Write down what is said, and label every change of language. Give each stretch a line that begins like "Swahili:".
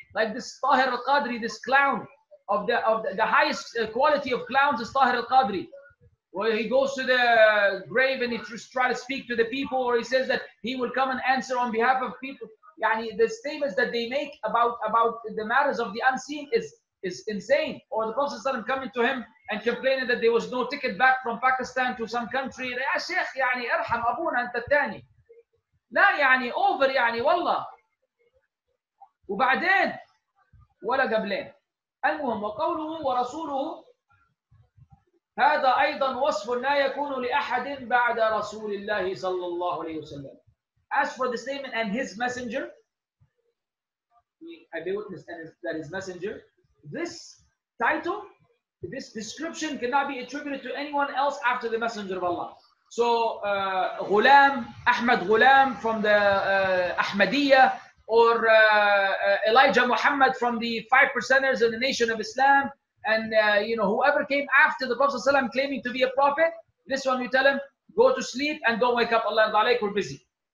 English: Like this Tahir al-Qadri, this clown of the highest quality of clowns is Tahir al-Qadri, where he goes to the grave and he try to speak to the people, or he says that he will come and answer on behalf of people. Yani the statements that they make about the matters of the unseen is insane. Or the Prophet ﷺ coming to him and complaining that there was no ticket back from Pakistan to some country.
Arabic: Ya Sheikh, يعني ارحم أبونا أنت الثاني. لا يعني over يعني والله. وبعدين ولا قبلين. المهم وقوله ورسوله هذا أيضا وصف لا يكون لأحد بعد رسول الله صلى الله عليه وسلم.
English: As for the statement and his messenger, a witness that his messenger, this title, this description cannot be attributed to anyone else after the messenger of Allah. So Ghulam, Ahmad Ghulam from the Ahmadiyya, or Elijah Muhammad from the 5%ers in the nation of Islam, and you know, whoever came after the Prophet ﷺ claiming to be a prophet, this one you tell him, go to sleep and don't wake up, Allah and Allah, we're busy.